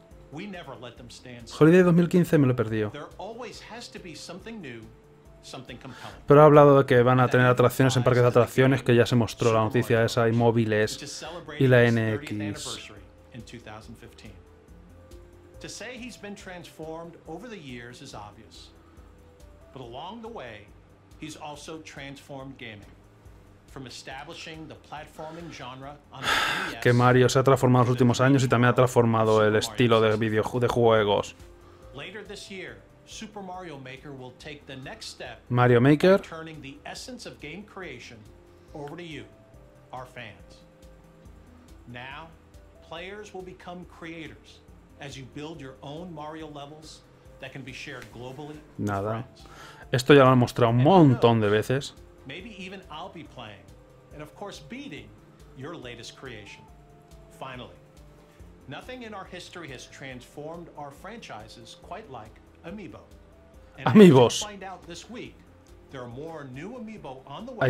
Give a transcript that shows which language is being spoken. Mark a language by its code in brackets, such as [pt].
[es] Holiday 2015 me lo he perdido. Pero ha hablado de que van a tener atracciones en parques de atracciones, que ya se mostró la noticia esa, y móviles, y la NX. [en] In 2015. To say he's been transformed over the years is obvious. But along the way, he's also transformed gaming. From establishing the platforming genre on the NES. [es] Que Mario se ha transformado los últimos años y también ha transformado el estilo de videojuegos. [en] Later this year, Super Mario Maker will take the next step. Mario Maker turning the essence of game creation over to you, our fans. Now players will become creators as you build your own Mario levels that can be shared globally. [es] Nada. Esto ya lo han mostrado un montón de veces. [en] Maybe even I'll be playing and of course beating your latest creation. Finally, nothing in our history has transformed our franchises quite like Amiibo. [es] Amigos. [en] Find out this week. There are more new Amiibo on the way.